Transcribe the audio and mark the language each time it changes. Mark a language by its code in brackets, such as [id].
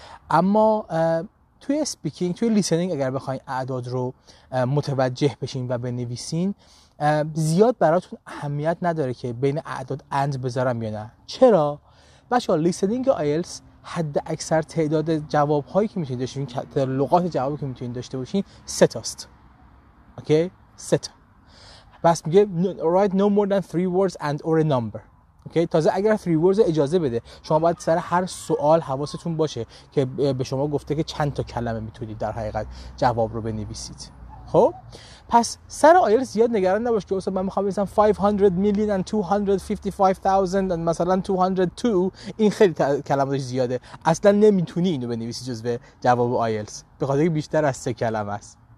[fa] اما توی اسپیکینگ، توی لیسنینگ اگر بخواید اعداد رو متوجه بشین و بنویسین، زیاد براتون اهمیت نداره که بین اعداد اند بذارم یا نه. چرا؟ بچه ها لیسنینگ آیلتس حد اکثر تعداد جواب هایی که میتونید داشته باشین، تعداد لغات جوابی که میتونید داشته باشین 3 تاست. اوکی؟ 3 تا. بس میگه [en] write no more than 3 words and or a number. [fa] اوکی؟ تازه اگر [en] 3 words [fa] اجازه بده، شما باید سر هر سوال حواستون باشه که به شما گفته که چند تا کلمه میتونید در حقیقت جواب رو بنویسید. خب پس سر آیل زیاد نگران نباش که مثلا من میخوام بنویسم 500,255,000 and مثلا 202، این خیلی کلماتش زیاده، اصلا نمیتونی اینو بنویسی جزو جواب آیلتس، به خاطر اینکه بیشتر از 3 کلمه است.